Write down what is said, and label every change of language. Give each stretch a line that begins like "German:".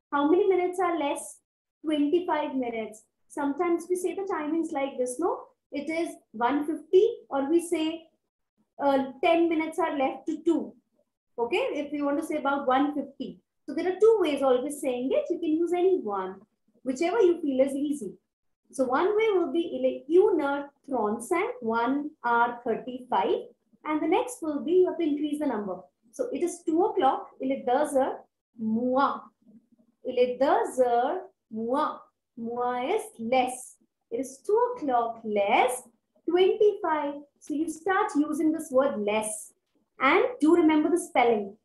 English: How many minutes are less? 25 minutes. Sometimes we say the timings like this, no? It is 1:50, or we say 10 minutes are left to 2. Okay, if we want to say about 1:50. So there are two ways always saying it. You can use any one, whichever you feel is easy. So one way will be
French: il est une heure trente-cinq,
English: 1:35. And the next will be you have to increase the number. So it is 2 o'clock,
French: il est deux heures, moins. Il est deux heures, moins. Moins
English: is less. It is 2 o'clock less, 25. So you start using this word less. And do remember the spelling.